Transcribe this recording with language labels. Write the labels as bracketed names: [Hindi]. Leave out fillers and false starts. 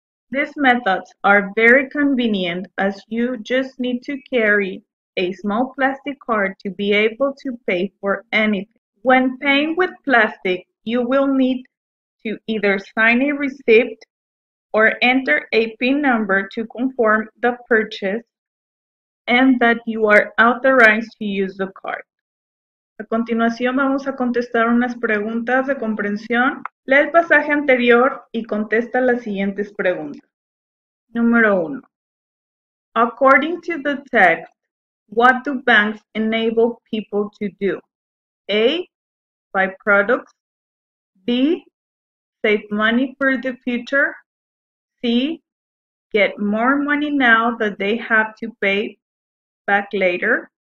[English] These methods are very convenient as you just need to carry a small plastic card to be able to pay for anything. When paying with plastic, you will need to either sign a receipt or enter a PIN number to confirm the purchase and that you are authorized to use the card. [Spanish] A continuación vamos a contestar unas preguntas de comprensión. Lee el pasaje anterior y contesta las siguientes preguntas. Número 1. [English] According to the text, what do banks enable people to do? A. Buy products. B. Save money for the future. C. Get more money now that they have to pay back later.